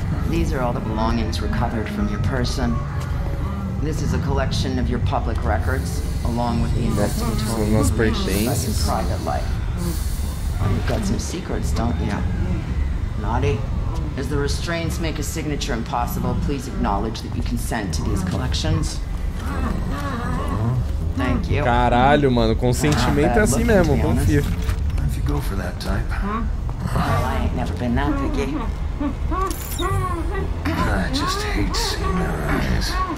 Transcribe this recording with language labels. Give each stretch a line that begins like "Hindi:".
English: These are all the belongings recovered from your person. This is a collection of your public records, along with the investigatory information about your private life. Well, you've got some secrets, don't you? Naughty. As the restraints make a signature impossible, please acknowledge that you consent to these collections. Thank you.
Portuguese: Caralho, mano, consentimento é assim mesmo, confia.
English: If you go for that type. Well, I ain't never been that picky. I just hate seeing her eyes.